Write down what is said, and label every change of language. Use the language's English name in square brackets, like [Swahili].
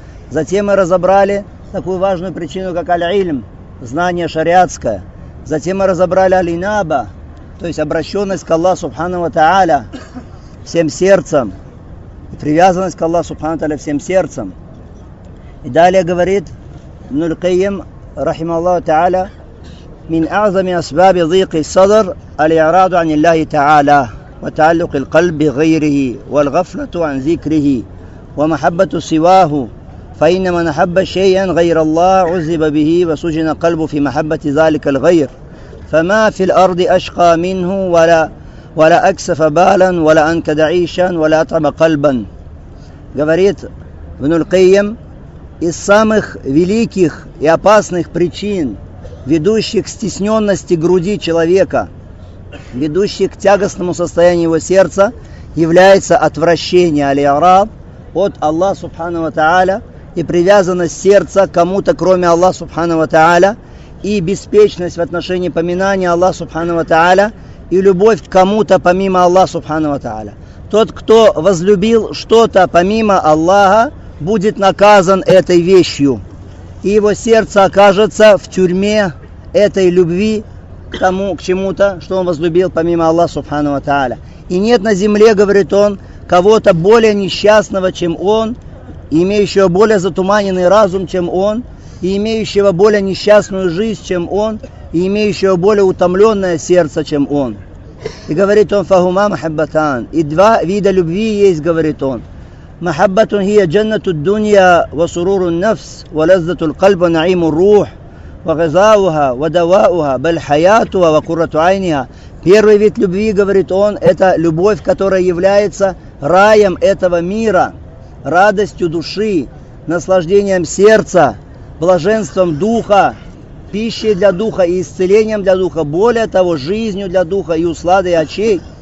[Russian] Затем мы разобрали такую важную причину, как аль-ильм, знание шариатское. Затем мы разобрали аль-инаба, то есть обращенность к Аллаху Субхану Тааля всем сердцем, привязанность к Аллаху Субхану Тааля всем сердцем. И далее говорит Ибн аль-Кайим, рахима Аллаху Тааля, [Arabic] من أعظم أسباب ضيق الصدر الإعراض عن الله تعالى وتعلق القلب بغيره والغفلة عن ذكره ومحبة سواه فإن من أحب شيئا غير الله عذب به وسجن قلبه في محبة ذلك الغير فما في الأرض أشقى منه ولا أكسف بالا ولا أنكد عيشا ولا أطعم قلبا. [Russian] говорит ابن القيم, из самых великих и опасных причин, ведущих к стесненности груди человека, ведущих к тягостному состоянию его сердца, является отвращение аль-и'раб от Аллаха Субхану ва Тааля и привязанность сердца к кому-то, кроме Аллаха Субхану ва Тааля, и беспечность в отношении поминания Аллаха Субхану ва Тааля и любовь к кому-то помимо Аллаха Субхану ва Тааля. Тот, кто возлюбил что-то помимо Аллаха, будет наказан этой вещью. И его сердце окажется в тюрьме этой любви к тому, к чему-то, что он возлюбил помимо Аллаха Субхану ва Тааля. И нет на земле, говорит он, кого-то более несчастного, чем он, имеющего более затуманенный разум, чем он, и имеющего более несчастную жизнь, чем он, и имеющего более утомленное сердце, чем он. И говорит он, фахума махаббатан. И два вида любви есть, говорит он. [Arabic] محبة هي جنة الدنيا وسرور النفس ولذة القلب ونعيم الروح وغذاؤها ودواؤها بل حياتها وقرة عينها. [Russian] Первый вид любви, говорит он, это любовь, которая является раем этого мира, радостью души, наслаждением сердца, блаженством духа, пищей для духа и исцелением для духа, более того, жизнью для духа и усладой очей.